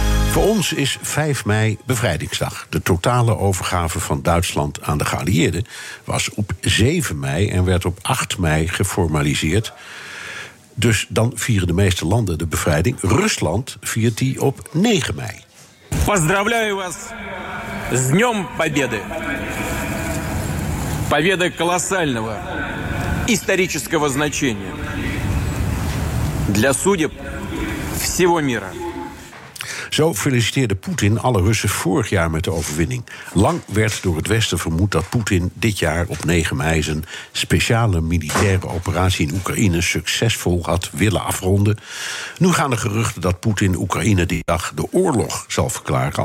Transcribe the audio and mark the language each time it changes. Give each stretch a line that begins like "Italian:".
Dutch: Voor ons is 5 mei bevrijdingsdag. De totale overgave van Duitsland aan de geallieerden was op 7 mei en werd op 8 mei geformaliseerd. Dus dan vieren de meeste landen de bevrijding. Rusland viert die op 9 mei.
Russian: Поздравляю вас с днем победы. Победа колоссального исторического значения для судеб всего мира.
Dutch: Zo feliciteerde Poetin alle Russen vorig jaar met de overwinning. Lang werd door het Westen vermoed dat Poetin dit jaar op 9 mei... zijn speciale militaire operatie in Oekraïne succesvol had willen afronden. Nu gaan de geruchten dat Poetin Oekraïne die dag de oorlog zal verklaren...